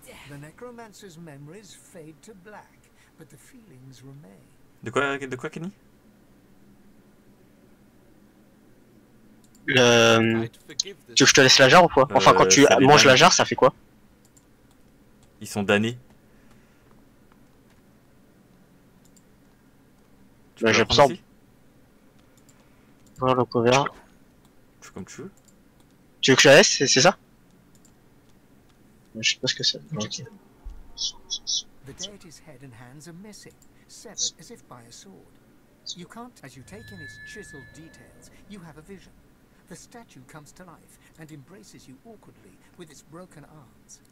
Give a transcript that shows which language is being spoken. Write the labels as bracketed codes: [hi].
[en] The necromancer's memories fade to black, but the feelings remain. [fr] De quoi, Kenny? Tu veux que je te laisse la jarre ou quoi? Enfin, quand tu manges la jarre, ça fait quoi? Ils sont damnés. Tu veux j'absorbe. Voilà le couvert. Tu veux comme tu veux. Tu veux que je la laisse, c'est ça? Je sais pas ce que c'est. [en] The deity's head and hands are missing, severed as if by a sword. You can't, as you take in its chiseled details, you have a vision. The statue comes to life and embraces you awkwardly with its broken arms.